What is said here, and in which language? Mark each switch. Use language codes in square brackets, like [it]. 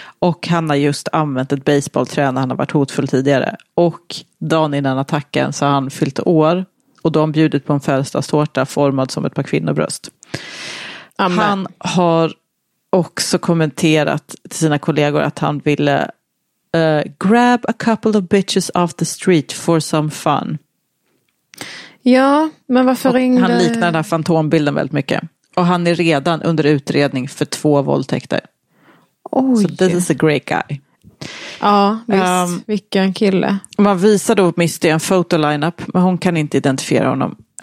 [sv] Och han har just använt ett baseballträ när han har varit hotfull tidigare. Och dagen innan attacken så har han fyllt år. Och de har bjudit på en födelsedagstårta formad som ett par kvinnobröst. Amen. Han har också kommenterat till sina kollegor att han ville... [en] grab a couple of bitches off the street for some fun. [sv] Ja, men varför och ringde... Han liknar den här fantombilden väldigt mycket. Och han är redan under utredning för två våldtäkter. Oj. [en] So this is a great guy. [sv] Ja, visst. Vilken kille. Man visar då Misty en fotolineup, men hon kan inte identifiera honom.